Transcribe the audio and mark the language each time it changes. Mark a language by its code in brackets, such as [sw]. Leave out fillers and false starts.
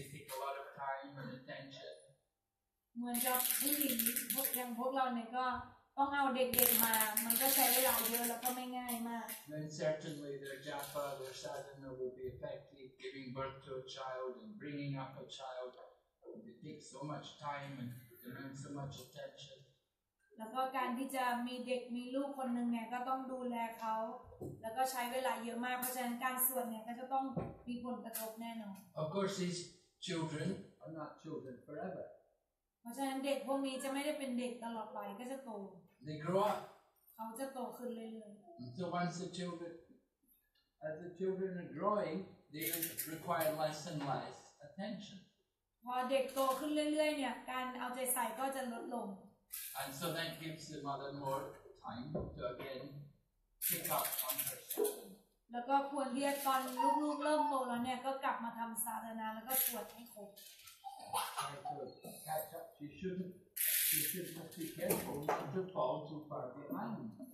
[en] They take a lot of time and attention. [th] เหมือนกับผู้หญิงอย่างพวกเราเนี่ยก็ต้องเอาเด็กๆมามันก็ใช้เวลาเยอะแล้วก็ไม่ง่ายมาก [en] Then certainly their japa, their sadhana will be effective giving birth to a child and bringing up a child. It takes so much time and demands so much attention. [th] แล้วก็การที่จะมีเด็กมีลูกคนหนึ่งเนี่ยก็ต้องดูแลเขาแล้วก็ใช้เวลาเยอะมากเพราะฉะนั้นการสวดเนี่ยก็จะต้องมีผลกระทบแน่นอน [en] Of course, these children are not children forever. [th] เพราะฉะนั้นเด็กพวกนี้จะไม่ได้เป็นเด็กตลอดไปก็จะโต [en] They grow up [th] เขาจะโตขึ้นเรื่อย [en] ๆ So once the children as the children are growing they require less and less attention [th] พอเด็กโตขึ้นเรื่อยๆเนี่ยการเอาใจใส่ก็จะลดลง [en] And so that gives the mother more time to again pick up on her children [th] แล้วก็ควรที่จะตอนลูกๆเริ่มโตแล้วเนี่ยก็กลับมาทำสาธารณะแล้วก็สวดให้ครบ [en] Catch up. She should have to be careful not to fall too far behind.